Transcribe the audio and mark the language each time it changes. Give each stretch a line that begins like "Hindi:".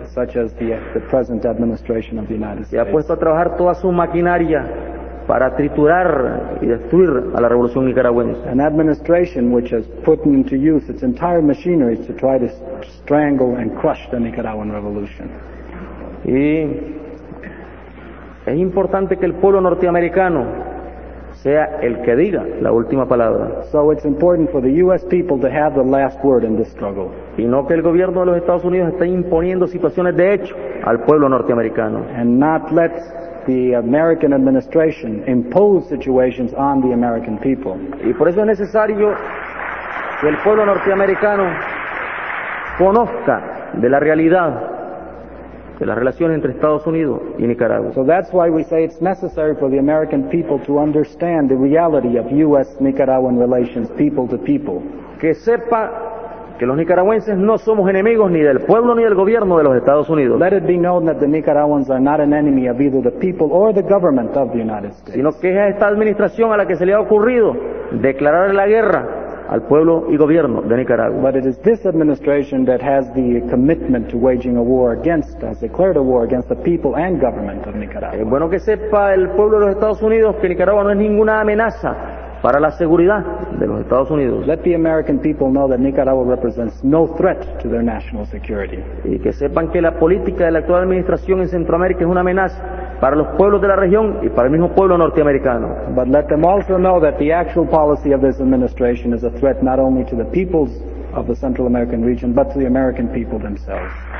English: such as the present administration of the United States,
Spanish: y ha puesto a trabajar toda su maquinaria para triturar y destruir a la revolución nicaragüense.
English: An administration which has put into use its entire machinery to try to strangle and crush the Nicaraguan revolution.
Spanish: Y es importante que el pueblo norteamericano sea el que diga la última palabra.
English: So it's important for the U.S. people to have the last word in this struggle.
Spanish: Y no que el gobierno de los Estados Unidos esté imponiendo situaciones de hecho al pueblo norteamericano.
English: And not let the American administration impose situations on the American people.
Spanish: Y por eso es necesario que el pueblo norteamericano conozca de la realidad de las relaciones entre Estados Unidos y Nicaragua.
English: So that's why we say it's necessary for the American people to understand the reality of U.S.-Nicaraguan relations people to people.
Spanish: Que sepa que los nicaragüenses no somos enemigos ni del pueblo ni del gobierno de los Estados Unidos.
English: Let it be known that the Nicaraguans are not an enemy of either the people or the government of the United States.
Spanish: Sino que es esta administración a la que se le ha ocurrido declarar la guerra al pueblo y gobierno de Nicaragua.
English: But it is this administration that has the commitment to waging a war against, has declared a war against the people and government of Nicaragua.
Spanish: Es bueno que sepa el pueblo de los Estados Unidos que Nicaragua no es ninguna amenaza para la seguridad de los Estados Unidos.
English: Let the American people know that Nicaragua represents no threat to their national security.
Spanish: Y que sepan que la política de la actual administración en Centroamérica es una amenaza para los pueblos de la región y para el mismo pueblo norteamericano.
English: But let them also know that the actual policy of this administration is a threat not only to the peoples of the Central American region, but to the American people themselves.